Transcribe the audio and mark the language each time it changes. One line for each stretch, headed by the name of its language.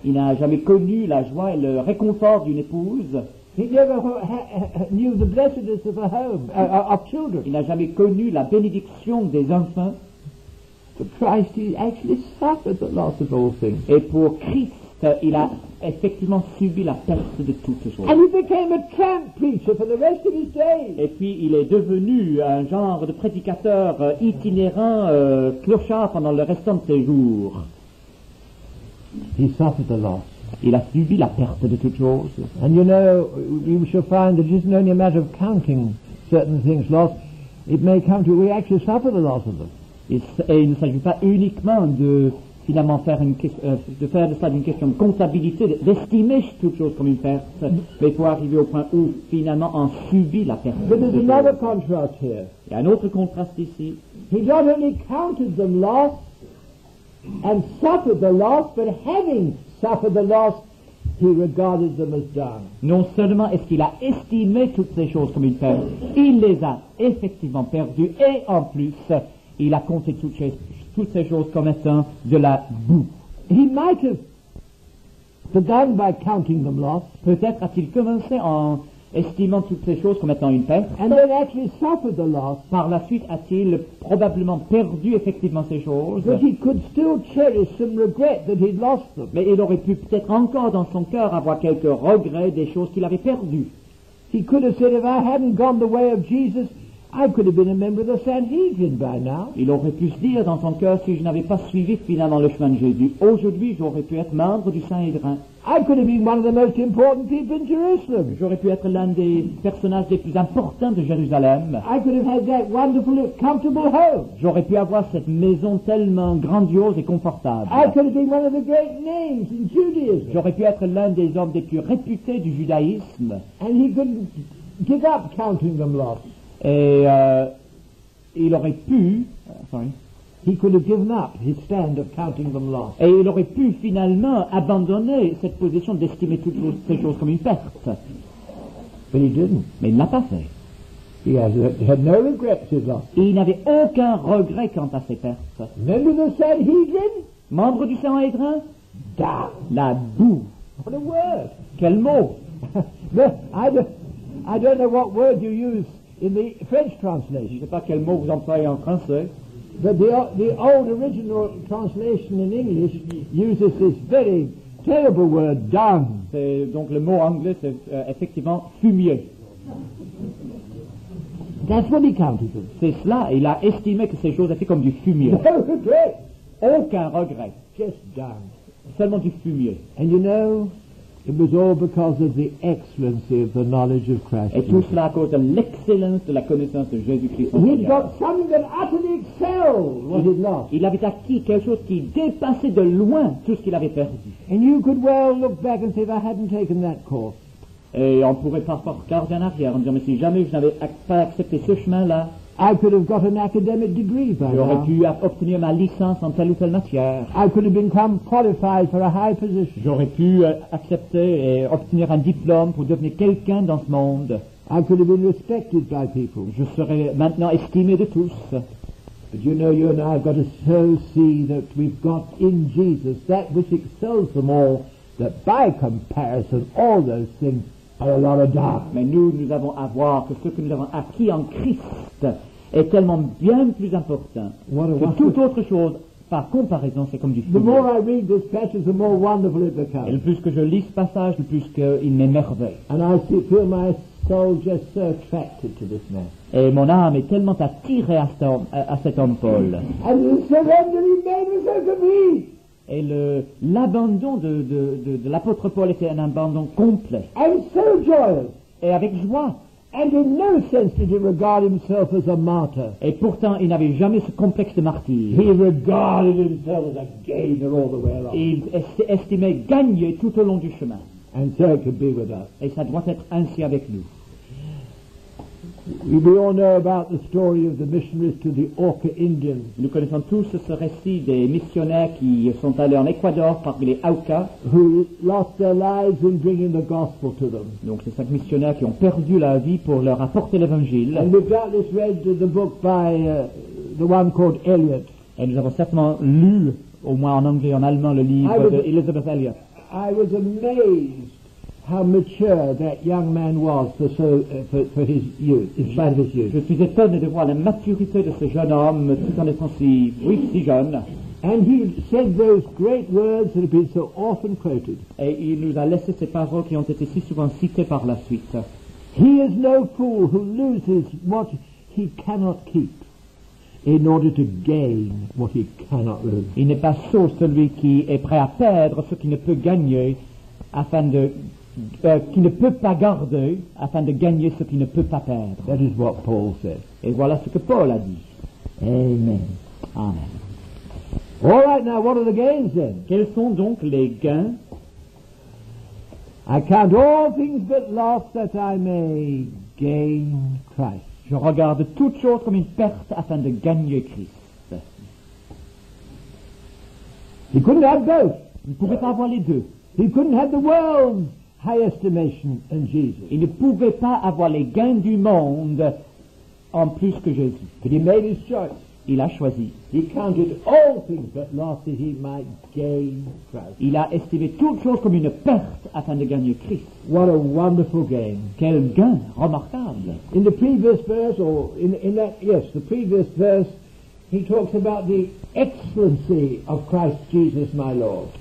French: Il n'a jamais connu la joie et le réconfort d'une épouse.
English: He never knew the blessedness of a home, of children.
French: Il n'a jamais connu la bénédiction des enfants.
English: For Christ, he actually suffered the loss of all things.
French: Et pour Christ, il a effectivement subi la perte de toutes choses.
English: And he became a tramp preacher for the rest of his days.
French: Et puis il est devenu un genre de prédicateur itinérant clochard pendant le restant de ses jours.
English: He suffered the loss.
French: Il a subi la perte de toutes choses.
English: And you know, you shall find that it isn't only a matter of counting certain things lost. It may come to we actually suffer the loss of them.
French: Et il ne s'agit pas uniquement de finalement faire une de faire de ça une question de comptabilité, d'estimer toutes choses comme une perte, mais pour arriver au point où finalement on subit la perte.
English: But there's another contrast here.
French: Il y a un autre contraste ici.
English: He not only counted them lost. And suffered the loss, but having suffered the loss, he regarded them as done.
French: Non seulement est-ce qu'il a estimé toutes ces choses comme une perte, il les a effectivement perdues, et en plus, il a compté toutes ces choses comme étant de la boue.
English: He might have begun by counting them lost.
French: Peut-être a-t-il commencé en estimant toutes ces choses comme étant une perte.
English: And then actually suffered the loss.
French: Par la suite, a-t-il probablement perdu effectivement ces choses.
English: But he could still cherish some regret that he'd lost them.
French: Mais il aurait pu peut-être encore dans son cœur avoir quelques regrets des choses qu'il avait perdues.
English: He could have said, if I hadn't gone the way of Jesus, I could have been a member of the Sanhedrin by now.
French: Il aurait pu se dire dans son cœur, si je n'avais pas suivi finalement le chemin de Jésus, aujourd'hui j'aurais pu être membre du Sanhédrin.
English: I could have been one of the most important people in Jerusalem.
French: J'aurais pu être l'un des personnages les plus importants de Jérusalem.
English: I could have had that wonderful, comfortable home.
French: J'aurais pu avoir cette maison tellement grandiose et confortable.
English: I could have been one of the great names in Judaism.
French: J'aurais pu être l'un des hommes les plus réputés du judaïsme.
English: And he could give up counting them lost.
French: Et il aurait pu,
English: He could have given up his stand of counting them lost.
French: Et il aurait pu finalement abandonner cette position d'estimer toutes ces choses comme une perte.
English: But he didn't.
French: Mais il l'a pas fait.
English: He had no regrets his loss.
French: Et il n'avait aucun regret quant à ses pertes.
English: Member of the Sanhedrin?
French: Membre du Sanhédrin? Da. La boue.
English: What a word.
French: Quel mot.
English: I don't know what word you use. In the French translation.
French: Je ne sais pas quel mot vous employez en français.
English: But the old original translation in English uses this very terrible word, dung.
French: C'est donc le mot anglais, c'est effectivement fumier.
English: That's what he counted it.
French: C'est cela, il a estimé que ces choses étaient comme du fumier.
English: No regret.
French: Aucun regret.
English: Just dung.
French: Seulement du fumier.
English: And you know, it was all because of the excellency of the knowledge of Christ.
French: Et tout cela à cause de l'excellence de la connaissance de Jésus-Christ.
English: He got something that utterly excelled what he'd lost.
French: Il avait acquis quelque chose qui dépassait de loin tout ce qu'il avait perdu.
English: And you could well look back and say, if I hadn't taken that course.
French: Et on pourrait parfois regarder en arrière en disant, mais si jamais je n'avais pas accepté ce chemin-là,
English: I could have got an academic degree by now.
French: J'aurais pu obtenir ma licence en telle ou telle matière.
English: I could have become qualified for a high position.
French: J'aurais pu accepter et obtenir un diplôme pour devenir quelqu'un dans ce monde.
English: I could have been respected by people.
French: Je serais maintenant estimé de tous.
English: But you know, you and I have got to so see that we've got in Jesus that which excels them all, that by comparison all those things are a lot of dark.
French: Mais nous avons à voir que ce que nous avons acquis en Christ est tellement bien plus important que toute autre chose par comparaison, c'est comme du fumier.
English: The more I read this passage, the more wonderful it becomes.
French: Et le plus que je lis ce passage, le plus qu'il m'émerveille.
English: And I feel my soul just so attracted to this man.
French: Et mon âme est tellement attirée à cet homme Paul.
English: And the surrender he made was so complete.
French: Et l'abandon de l'apôtre Paul était un abandon complet.
English: And so joyous.
French: Et avec joie.
English: And in no sense did he regard himself as a martyr.
French: Et pourtant, il n'avait jamais ce complexe de martyr.
English: He regarded himself as a gainer all the way along.
French: Il estimait gagner tout au long du chemin.
English: And so it could be with us.
French: Et ça doit être ainsi avec nous.
English: We all know about the story of the missionaries to the Orca Indians.
French: Nous connaissons tous ce récit des missionnaires qui sont allés en Équateur parmi les Auca,
English: who lost their lives in bringing the gospel to them.
French: Donc ces cinq missionnaires qui ont perdu la vie pour leur apporter l'évangile.
English: And we've doubtless read the book by the one called Eliot.
French: Et nous avons certainement lu, au moins en anglais et en allemand, le livre de Elizabeth Eliot.
English: I was amazed how mature that young man was for his youth, in spite of his youth.
French: Je suis étonné de voir la maturité de ce jeune homme, tout en étant si vif, si jeune.
English: And he said those great words that have been so often quoted.
French: Et il nous a laissé ces paroles qui ont été si souvent citées par la suite.
English: He is no fool who loses what he cannot keep in order to gain what he cannot lose.
French: Il n'est pas sot celui qui est prêt à perdre ce qu'il ne peut gagner afin de qui ne peut pas garder afin de gagner ce qu'il ne peut pas perdre.
English: That is what Paul said.
French: Et voilà ce que Paul a dit.
English: Amen.
French: Amen.
English: All right, now what are the gains then?
French: Quels sont donc les gains?
English: I count all things but loss that I may gain Christ.
French: Je regarde toute chose comme une perte afin de gagner Christ.
English: He couldn't have both.
French: Il ne pouvait pas avoir les deux.
English: He couldn't have the world. High estimation in Jesus.
French: Il ne pouvait pas avoir les gains du monde en plus que Jésus.
English: But he made his choice.
French: Il a choisi.
English: He counted all things but loss that he might gain Christ.
French: Il a estimé toute chose comme une perte afin de gagner Christ.
English: What a wonderful gain!
French: Quel gain remarquable!
English: In the previous verse, the previous verse, he talks about the excellency of Christ Jesus, my Lord.